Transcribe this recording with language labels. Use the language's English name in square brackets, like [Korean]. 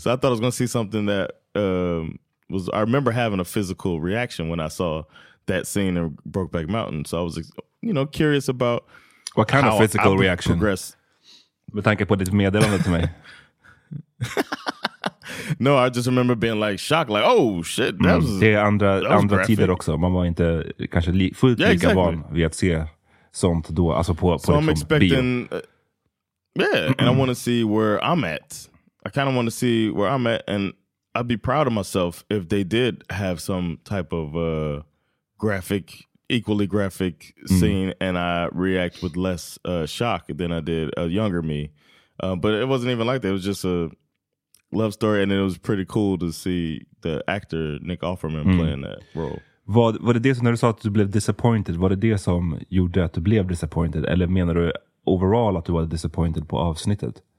[English] So I thought I was going to see something that I remember having a physical reaction when I saw that scene in Brokeback Mountain. So I was, you know, curious about what kind of physical reaction? Progress. [Swedish] Med tanke på ditt meddelande till mig. [English] No, I just remember being like shocked, like, oh shit, that was [Swedish] Det är andra tider också. Man var inte kanske fullt lika van vid att se sånt då. Alltså på [English] so I'm expecting, and I want to see where I'm at. I kind of want to see where I'm at, and I'd be proud of myself if they did have some type of graphic, equally graphic scene, and I react with less shock than I did a younger me. But it wasn't even like that. It was just a love story, and it was pretty cool to see the actor Nick Offerman playing that role. [Swedish] Var det det som, när du sa att du blev disappointed, var det det som gjorde att du blev disappointed, eller menar du overall att du var disappointed på avsnittet?